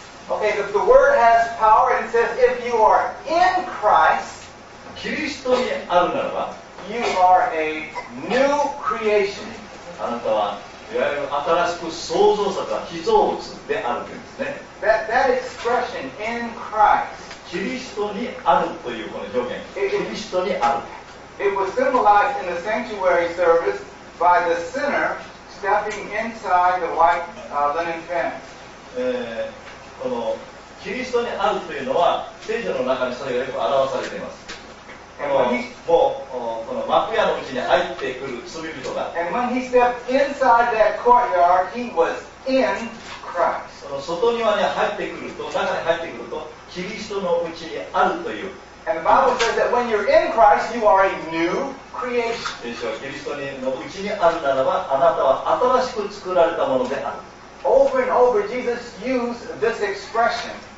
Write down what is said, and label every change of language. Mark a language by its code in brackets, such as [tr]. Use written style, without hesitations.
[en] Okay, but the word has power and it says if you are in Christ, [ja] キリストにあるならば, [en] you are a new creation. [ja] あなたはいわゆる新しく創造者か被造物であるんですね。 [en] That expression, in Christ, [ja] キリストにあるというこの表現, キリストにある。 [en] It was symbolized in the sanctuary service by the sinner stepping inside the white linen tent. [ja] このキリストにあるというのは聖書の中にそれがよく表されています。この幕屋のうちに入ってくる罪人が。 [en] And when he stepped inside that courtyard, he was in Christ. [ja] その外庭に入ってくると、中に入ってくると、キリストのうちにあるという。 [en] And the Bible says that when you're in Christ, you are a new creation. [ja] でしょう。キリストのうちにあるならば、あなたは新しく作られたものである。 [en] Over and over, Jesus used this expression.